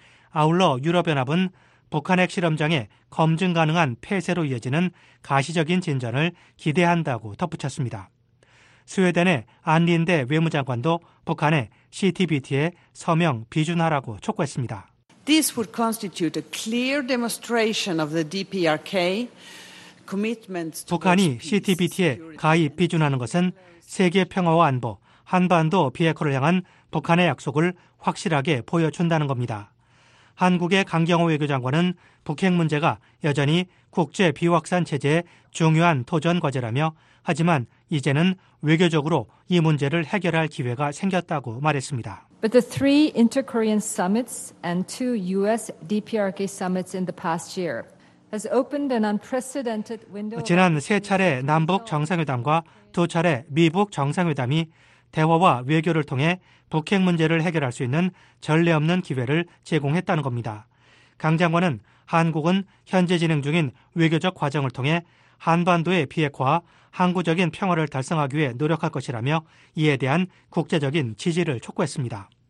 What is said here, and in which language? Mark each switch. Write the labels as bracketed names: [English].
[Korean] 아울러 유럽연합은 북한 핵실험장의 검증 가능한 폐쇄로 이어지는 가시적인 진전을 기대한다고 덧붙였습니다. 스웨덴의 안 린데 외무장관도 북한의 CTBT에 서명 비준하라고 촉구했습니다. [English] This would constitute a clear demonstration of the DPRK commitment. [Korean] 북한이 CTBT에 가입 비준하는 것은 세계 평화와 안보, 한반도 비핵화를 향한 북한의 약속을 확실하게 보여준다는 겁니다. 한국의 강경호 외교장관은 북핵 문제가 여전히 국제 비확산 체제의 중요한 도전 과제라며 하지만 이제는 외교적으로 이 문제를 해결할 기회가 생겼다고 말했습니다. [English] But the three inter-Korean summits and two U.S. DPRK summits in the past year has opened an unprecedented window. [Korean] 지난 세 차례 남북 정상회담과 두 차례 미북 정상회담이 대화와 외교를 통해 북핵 문제를 해결할 수 있는 전례 없는 기회를 제공했다는 겁니다. 강 장관은 한국은 현재 진행 중인 외교적 과정을 통해 한반도의 비핵화와 항구적인 평화를 달성하기 위해 노력할 것이라며 이에 대한 국제적인 지지를 촉구했습니다.